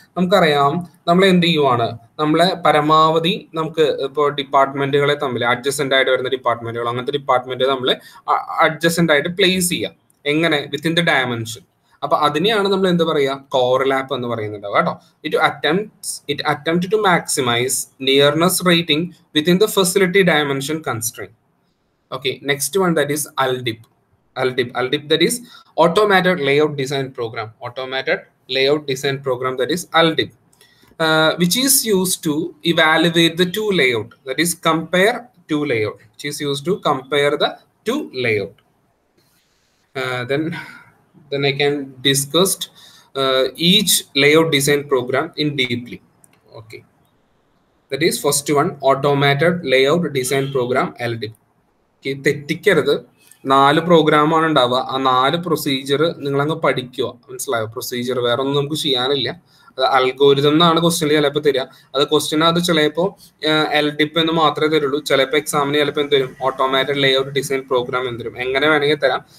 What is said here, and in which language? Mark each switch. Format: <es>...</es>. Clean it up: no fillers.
<ml>നമുക്കറിയാം നമ്മൾ എന്ത് ചെയ്യുവാണ്, നമ്മളെ പരമാവധി നമുക്ക് ഇപ്പോൾ ഡിപ്പാർട്ട്മെന്റുകളെ തമ്മിൽ അഡ്ജസ്റ്റൻ്റ് ആയിട്ട് വരുന്ന ഡിപ്പാർട്ട്മെന്റുകൾ, അങ്ങനത്തെ ഡിപ്പാർട്ട്മെന്റ് നമ്മൾ അഡ്ജസ്റ്റൻ്റ് ആയിട്ട് പ്ലേസ് ചെയ്യുക എങ്ങനെ വിത്തിൻ ദ ഡയമെൻഷൻ. അപ്പോൾ അതിനെയാണ് നമ്മൾ എന്ത് പറയുക, കോർ ലാപ്പ് എന്ന് പറയുന്നുണ്ട് കേട്ടോ.</ml> <en>It attempt to maximize nearness rating within the facility dimension constrain. Okay, next one, that is ALDEP, that is automated layout design program. That is ALDEP, which is used to evaluate the two layout, that is compare two layout, which is used to compare the two layout. Then I can discuss each layout design program in deeply. Okay, that is first one, automated layout design program, ALDEP.</en> <ml>തെറ്റിക്കരുത്. നാല് പ്രോഗ്രാമാണ് ഉണ്ടാവുക, ആ നാല് procedure നിങ്ങൾ അങ്ങ് പഠിക്കുക, മനസ്സിലായോ? Procedure വേറെ ഒന്നും നമുക്ക് ചെയ്യാനില്ല. അത് അൽഗോരിതം എന്നാണ് ക്വസ്റ്റ്യനിൽ ചിലപ്പോൾ തരിക. അത് ക്വസ്റ്റ്യൻ അത് ചിലപ്പോൾ എൽഡിപ് എന്ന് മാത്രമേ തരുള്ളൂ. ചിലപ്പോൾ എക്സാമിന് ചിലപ്പോൾ എന്തരും ഓട്ടോമാറ്റഡ് ലേഔട്ട് ഡിസൈൻ പ്രോഗ്രാം എന്തരും, എങ്ങനെ വേണമെങ്കിൽ തരാം.</ml>